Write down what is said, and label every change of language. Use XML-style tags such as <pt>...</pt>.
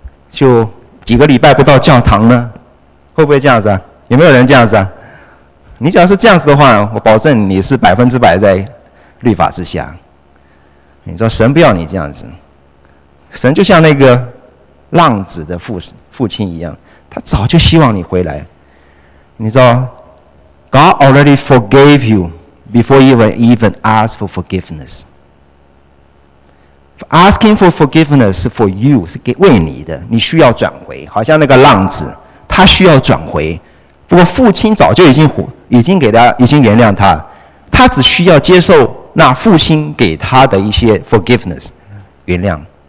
<zh>就几个礼拜不到教堂呢？会不会这样子啊？有没有人这样子啊？你只要是这样子的话，我保证你是100%在律法之下。你说神不要你这样子，神就像那个浪子的父亲一样，他早就希望你回来。你知道</zh> <en>God already forgave you before you even ask for forgiveness. Asking for forgiveness is for you,</en> <zh>是给为你的，你需要转回，好像那个浪子他需要转回。不过父亲早就已经给他已经原谅他，他只需要接受那父亲给他的一些 forgiveness 原谅。</zh>